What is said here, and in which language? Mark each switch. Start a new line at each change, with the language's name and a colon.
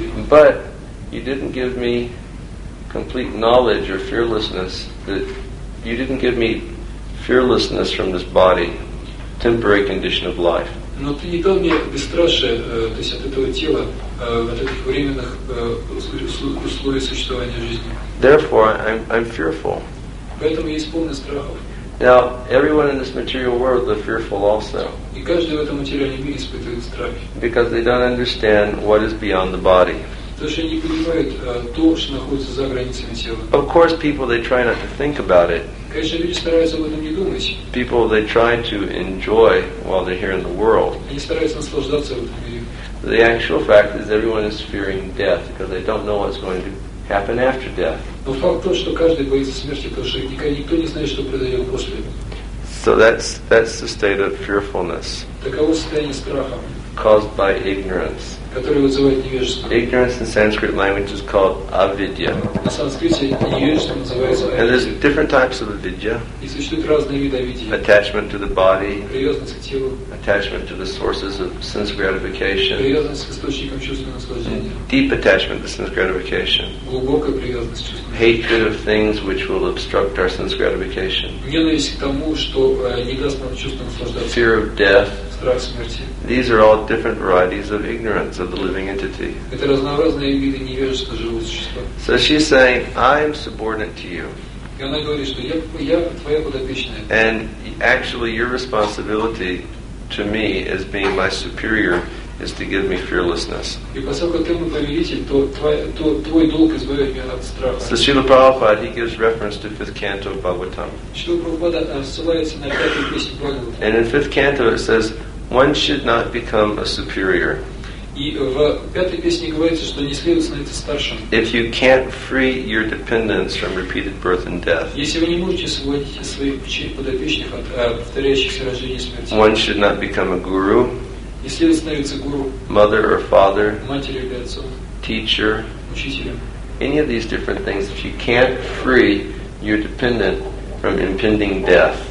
English: But you didn't give me complete knowledge or fearlessness. You didn't give me fearlessness from this body, temporary condition of life.
Russian: Но ты не дал мне бесстрашие, то есть от этого тела, от этих временных условий существования жизни.
English: Therefore, I'm fearful.
Russian: Поэтому я исполнен страхов.
English: Now, everyone in this material world is fearful also.
Russian: И каждый в этом материальном мире испытывает страхи.
English: Because they don't understand what is beyond the body.
Russian: Потому что они не понимают то, что находится за границами тела.
English: Of course, people, they try not to think about it.
Russian: Конечно, люди стараются об этом не думать.
English: People, they try to enjoy while they're here in the world.
Russian: Они стараются наслаждаться в этом мире.
English: The actual fact is everyone is fearing death because they don't know what's going to happen after death.
Russian: Но факт то, что каждый боится смерти, потому что никто не знает, что произойдет после.
English: So that's the state of fearfulness.
Russian: Таково состояние страха.
English: Caused by ignorance.
Russian: Которое вызывает невежество.
English: Ignorance in Sanskrit language is called avidya.
Russian: На санскрите невежество называется avidya.
English: And there's different types of avidya.
Russian: И существуют разные виды avidya.
English: Attachment to the body.
Russian: Привязанность к телу.
English: Attachment to the sources of sense gratification.
Russian: Привязанность к источникам чувственного наслаждения.
English: Deep attachment to sense gratification.
Russian: Глубокая привязанность к чувственному.
English: Hatred of things which will obstruct our sense gratification.
Russian: Ненависть к тому, что не даст нам чувственного наслаждения.
English: Fear of death.
Russian: Страх смерти.
English: These are all different varieties of ignorance of the living entity.
Russian: Это разнообразные виды невежества живого существа.
English: So she's saying, I am subordinate to you.
Russian: И она говорит, что я твоя подопечная.
English: And actually, your responsibility to me as being my superior is to give me fearlessness.
Russian: И поскольку ты мой повелитель, то твой долг избавить меня от страха.
English: So Srila Prabhupada, he gives reference to fifth canto of Bhagavatam.
Russian: Srila Prabhupada ссылается на пятую песню Бхагаватам.
English: And in fifth canto it says, one should not become a superior.
Russian: И в пятой песне говорится, что не следует становиться старшим.
English: If you can't free your dependents from repeated birth and death.
Russian: Если вы не можете освободить своих подопечных от повторяющихся рождений и смерти.
English: One should not become a guru.
Russian: Не следует становиться гуру.
English: Mother or father.
Russian: Матерью или отцом.
English: Teacher.
Russian: Учителем.
English: Any of these different things, if you can't free your dependent from impending death.